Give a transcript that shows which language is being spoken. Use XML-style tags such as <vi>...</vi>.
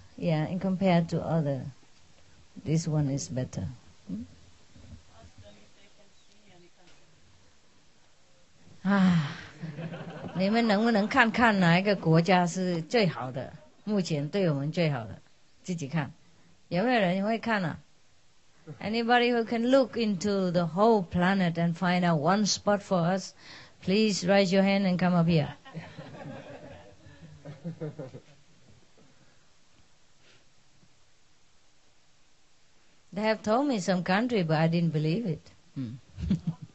<en>Yeah, in compared to other, this one is better.</en> <zh>你们能不能看看哪一个国家是最好的，目前对我们最好的，自己看，有没有人会看啊？</zh> <en>Anybody who can look into the whole planet and find out one spot for us, please raise your hand and come up here. They have told me some country, but I didn't believe it.</en>